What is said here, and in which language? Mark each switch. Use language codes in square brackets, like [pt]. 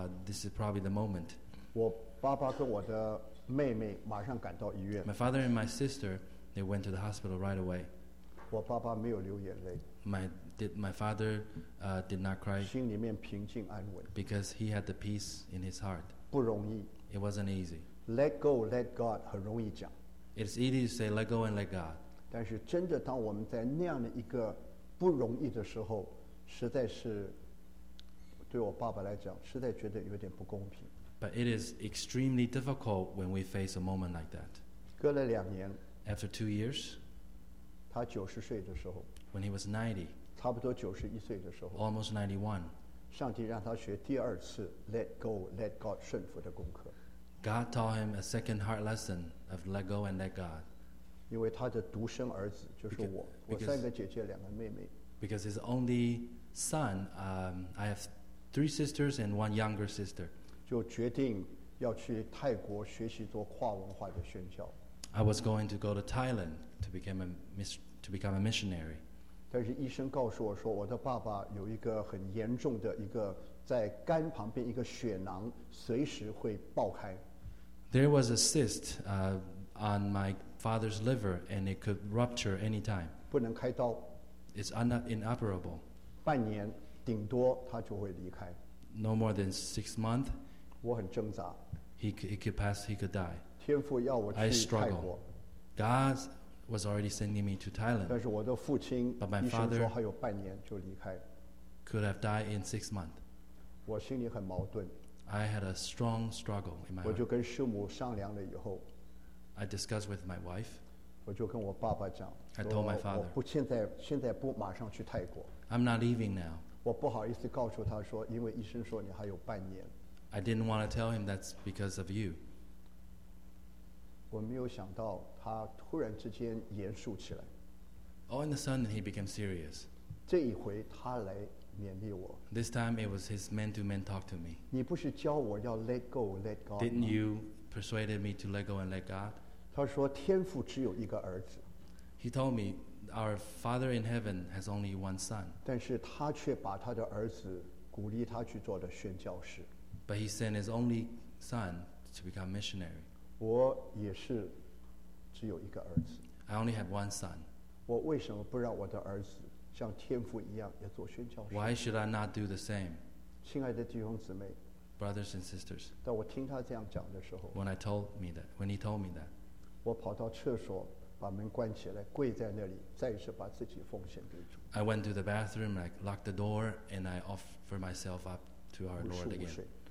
[en] This is probably the moment. [zh] 我爸爸跟我的妹妹马上赶到医院。 [en] My father and my sister, they went to the hospital right away. [zh] 我爸爸没有流眼泪。 [en] My father did not cry [zh] 心里面平静安稳 [en] because he had the peace in his heart. [zh] 不容易。 [en] It wasn't easy. Let go, let God [zh] 很容易讲。 [en] It's easy to say let go and let God. [zh] 但是真的当我们在那样的一个不容易的时候，实在是对我爸爸来讲，实在觉得有点不公平。 [en] But it is extremely difficult when we face a moment like that. [zh] 隔了两年。 [en] After 2 years. [zh] 他九十岁的时候。 [en] When he was 90, [zh] 差不多91岁的时候， [en] almost 91, [zh] 上帝让他学第二次 [en] let go, let God [zh] 顺服的功课。 [en] God taught him a second hard lesson of let go and let God. [zh] 因为他的独生儿子就是我，我三个姐姐，两个妹妹。 [en] Because his only son, I have three sisters and one younger sister. [zh] 就决定要去泰国学习做跨文化的宣教。 [en] I was going to go to Thailand to become a missionary. [zh] 但是医生告诉我说，我的爸爸有一个很严重的一个在肝旁边一个血囊随时会爆开。 [en] There was a cyst on my father's liver and it could rupture any time. [zh] 不能开刀。 [en] It's inoperable. [zh] 半年顶多他就会离开。 [en] No more than 6 months. [zh] 我很挣扎。 [en] He could die. [zh] 天父要我去泰国。 [en] I struggle. God was already sending me to Thailand. [zh] 但是我的父亲， [en] but my father [zh] 医生说还有半年就离开。 [en] Could have died in 6 months. [zh] 我心里很矛盾。 [en] I had a strong struggle in my heart. [zh] 我就跟师母商量了以后。 [en] I discussed with my wife. [zh] 我就跟我爸爸讲。 [en] I told my father. [zh] 我不现在不马上去泰国。 [en] I'm not leaving now. [zh] 我不好意思告诉他说，因为医生说你还有半年。 [en] I didn't want to tell him that's because of you. [zh] 我没有想到他突然之间严肃起来。 [en] All in a sudden, he became serious. [zh] 这一回他来勉励我。 [en] This time, it was his man-to-man talk to me. [zh] 你不是教我要 [en] let go, let God? Didn't you persuade me to let go and let God? [zh] 他说天父只有一个儿子。 [en] He told me, our Father in heaven has only one son. [zh] 但是他却把他的儿子鼓励他去做的宣教士。 [en] But he sent his only son to become missionary. [zh] 我也是只有一个儿子。 [en] I only have one son. [zh] 我为什么不让我的儿子像天父一样也做宣教士？ [en] Why should I not do the same? [zh] 亲爱的弟兄姊妹， [en] brothers and sisters. [zh] 当我听他这样讲的时候， [en] When he told me that, [zh] 我跑到厕所把门关起来，跪在那里，再一次把自己奉献给主。 [en] I went to the bathroom, I locked the door, and I offered myself up to our Lord again.